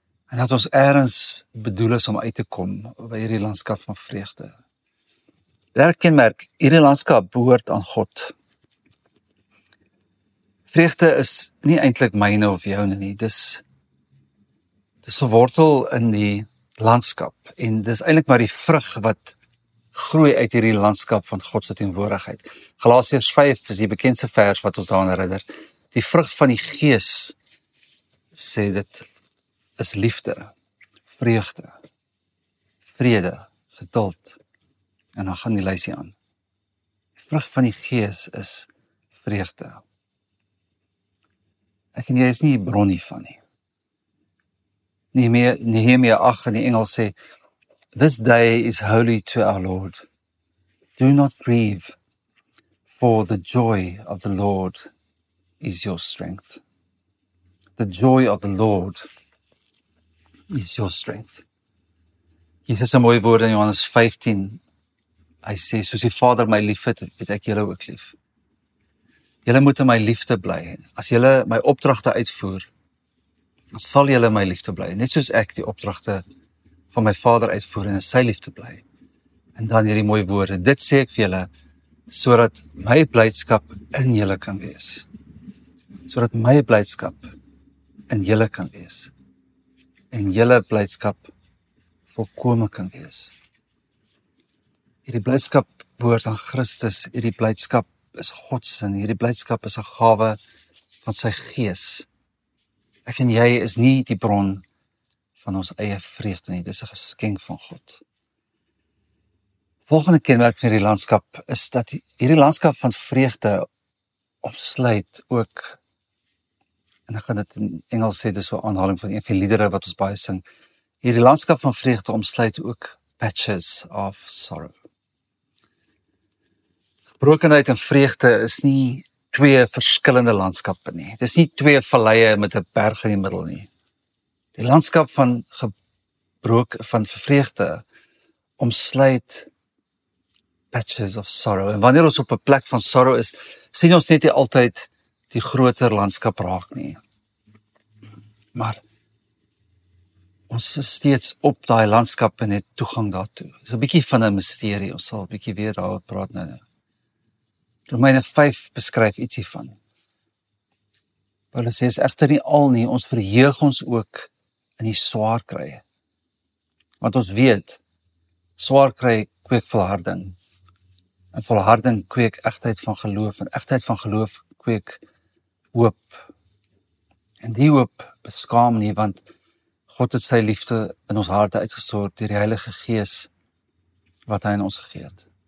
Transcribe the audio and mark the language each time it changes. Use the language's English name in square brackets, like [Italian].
[Afrikaans] En dat ons ergens bedoel is om uit te kom by hierdie landskap van vreugde. Derde kenmerk, hierdie landskap behoort aan God. Vreugde is nie eintlik myne of joune nie. Dis gewortel in die landskap. En dis eintlik maar die vrug wat groei uit hierdie landskap van God se teenwoordigheid. Galasiërs 5 is die bekendste vers wat ons daaraan herinner. Die vrug van die Gees sê dit is liefde, vreugde, vrede, geduld. En dan gaan die lysie aan. Die vrug van die Gees is vreugde. Ek en jy is nie bronnie van nie. Nehemia 8 in die Engels sê, [English] this day is holy to our Lord. Do not grieve, for the joy of the Lord is your strength. The joy of the Lord is your strength. [Afrikaans] Hier is 'n mooi woord in Johannes 15. Hy sê, soos die Vader my lief het ek julle ook lief. Julle moet in my liefde bly. As julle my opdragte uitvoer, dan sal julle my liefde bly. Net soos ek die opdragte van my Vader uitvoer en in sy liefde bly. En dan hierdie mooi woorde. Dit sê ek vir julle, sodat my blydskap in julle kan wees. Sodat my blydskap in julle kan wees. En julle blydskap volkome kan wees. Hierdie blydskap behoort aan Christus. Hierdie blydskap is God se en hierdie blydskap is 'n gawe van sy Gees. Ek en jy is nie die bron van ons eie vreugde nie, dis 'n geskenk van God. Volgende kenmerk van hierdie landskap is dat hierdie landskap van vreugde omsluit ook en dan gaat het in Engels sê, dit is so'n aanhaling van een van die liedere wat ons baie sing. Hierdie landskap van vreugde omsluit ook [English] patches of sorrow. [Afrikaans] Gebrokenheid en vreugde is nie twee verskillende landskappe nie. Dit is nie twee valleie met 'n berg in die middel nie. Die landskap van gebrok van vreugde omsluit [English] patches of sorrow. [Afrikaans] En wanneer ons op 'n plek van sorrow is, sien ons net nie altyd die groter landskap raak nie. Maar ons is steeds op daai landskap en het toegang daartoe. Dit is 'n bietjie van 'n misterie. Ons sal 'n bietjie weer daarop praat nou. Romeine 5 beskryf iets hiervan. Paulus sê, is egter nie al nie, ons verheug ons ook in die swaar kry. Want ons weet, swaar kry kweek volharding. En volharding kweek egtheid van geloof. En egtheid van geloof kweek hoop. En die hoop beskaam nie, want God het sy liefde in ons harte uitgestort deur die Heilige Gees wat hy in ons gegee het.